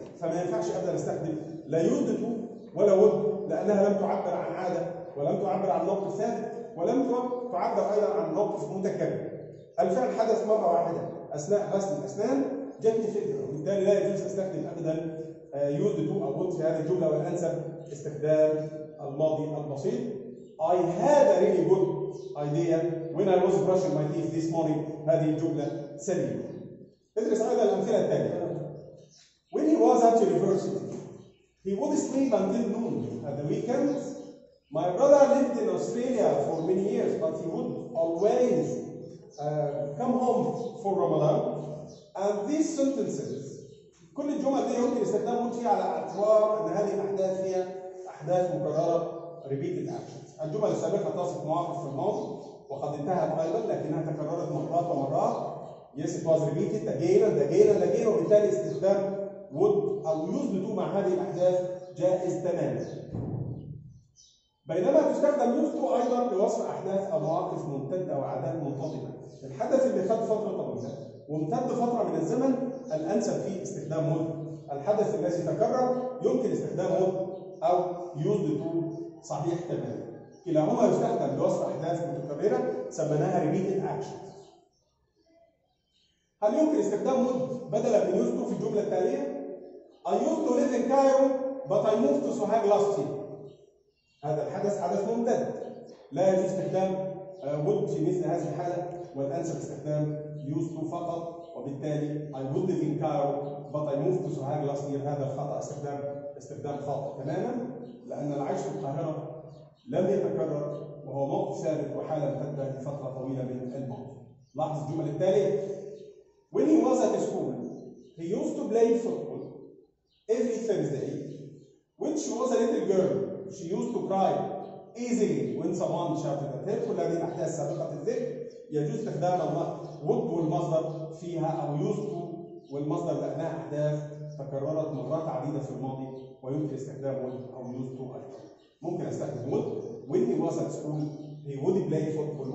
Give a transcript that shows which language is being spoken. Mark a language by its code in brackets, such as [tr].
[ar] فما ينفعش أبدا أستخدم لا used to ولا would لأنها لم تعبر عن عادة ولم تعبر عن موقف ثابت ولم تعبر ايضا عن موقف متكرر. الفعل حدث مره واحده اثناء غسل الاسنان جتني فكره، وبالتالي لا يجوز استخدم ابدا يود تو او في هذه الجمله، والانسب استخدام الماضي البسيط. [en] I had a really good idea when I was brushing my teeth this morning. [ar] هذه الجملة سلبية. ادرس أيضا الأمثلة الثانية. [en] When he was at university, he would sleep until noon at the weekends. My brother lived in Australia for many years, but he would always come home for Ramadan. And these sentences, [ar] كل الجمل دي يمكن استخدامه فيها على أطوار أن هذه الأحداث هي أحداث مكررة [en] repeated actions. [ar] الجمل السابقة تصف مواقف في الماضي وقد انتهت أيضا لكنها تكررت مرات ومرات. [en] Yes, it was repeated again and again and again. [ar] وبالتالي استخدام would أو used to مع هذه الأحداث جائز تماما. بينما تستخدم used to أيضا لوصف أحداث أو مواقف ممتدة وعادات منتظمة. الحدث اللي خد فترة طويلة وامتد فترة من الزمن الأنسب في استخدام would. الحدث الذي تكرر يمكن استخدام would أو used to صحيح تماما. كلاهما يستخدم لوصف أحداث متكررة سميناها [en] repeated actions. [ar] هل يمكن استخدام would بدلا من used to في الجملة التالية؟ [en] I used to live in Cairo, but I moved to Sohag last year. [ar] هذا الحدث حدث ممتد. لا يجوز استخدام would في مثل هذه الحالة، والأنسب استخدام used to فقط. وبالتالي [en] I would live in Cairo, but I moved to Sohag last year. [ar] هذا خطأ، استخدام خاطئ تماما، لأن العيش في القاهرة لم يتكرر وهو موقف ثابت وحالة ممتدة لفترة طويلة من الماضي. لاحظ الجملة التالية. [en] When he was at school, he used to play football every Thursday. When she was a little girl, she used to cry easily when someone shouted at her. [ar] كل هذه الأحداث سابقة الذكر يجوز استخدام would والمصدر فيها أو used to والمصدر لأنها أحداث تكررت مرات عديدة في الماضي ويمكن استخدام would أو used to أيضا. ممكن استخدم [en] would when he was at school. He would play football.